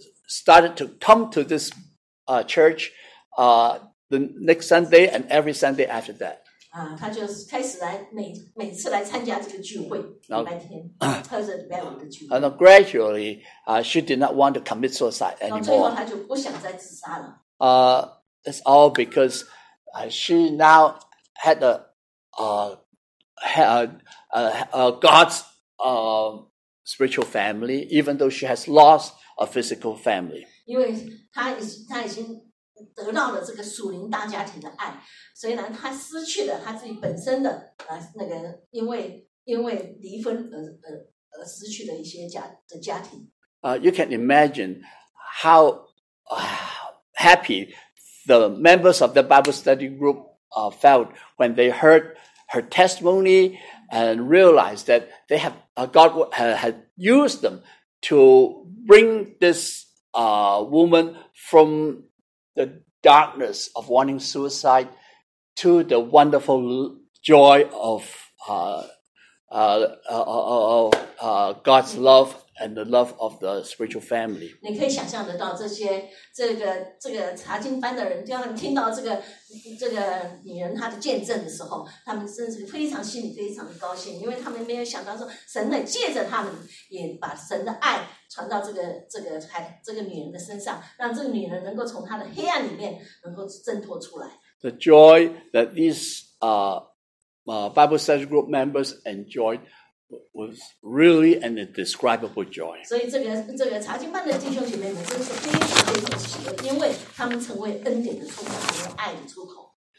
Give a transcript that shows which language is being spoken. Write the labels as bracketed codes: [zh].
[en] Started to come to this church the next Sunday and every Sunday after that. [zh] 她就开始来每次来参加这个聚会，礼拜天或者礼拜五的聚会。 [en] And gradually, she did not want to commit suicide anymore. [zh] 到最后，她就不想再自杀了。 [en] It's all because she now had a God's spiritual family, even though she has lost a physical family. [zh] 因为她已经得到了这个属灵大家庭的爱，所以呢，她失去了她自己本身的那个因为离婚而失去的一些家庭。 [en] You can imagine how happy the members of the Bible study group felt when they heard her testimony and realized that they have God had used them to bring this woman from the darkness of wanting suicide to the wonderful joy of God's love and the love of the spiritual family. [zh] 你可以想象得到这个查经班的人，当他们听到这个女人她的见证的时候，他们真是非常心里非常的高兴，因为他们没有想到说神呢借着他们也把神的爱传到这个女人的身上，让这个女人能够从她的黑暗里面能够挣脱出来。 [en] The joy that these Bible study group members enjoyed was really an indescribable joy. [zh] 所以这个查经班的弟兄姐妹们真是非常非常喜乐，因为他们成为恩典的出口，成为爱的出口。